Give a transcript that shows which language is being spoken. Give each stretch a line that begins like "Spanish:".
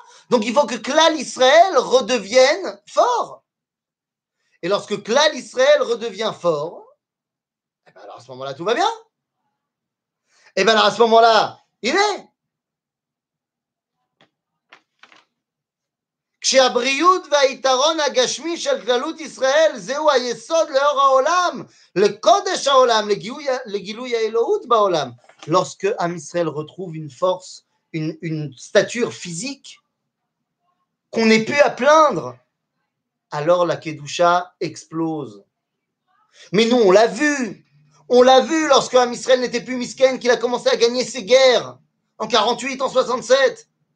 French: Donc il faut que Klal Israël redevienne fort. Et lorsque Klal Israël redevient fort, eh ben alors à ce moment-là, tout va bien. Et bien alors à ce moment-là, il est.
Hebrew: כשהבריאות והיתרון הגשמי של כללות ישראל זהו היסוד לאור העולם, לקודש העולם, לגילוי האלוהות בעולם.
French: Lorsque Am Israël retrouve une force, une stature physique, qu'on n'est plus à plaindre, alors la Kedusha explose. Mais nous, on l'a vu lorsque Am Israël n'était plus Misken, qu'il a commencé à gagner ses guerres, en 48, en 67.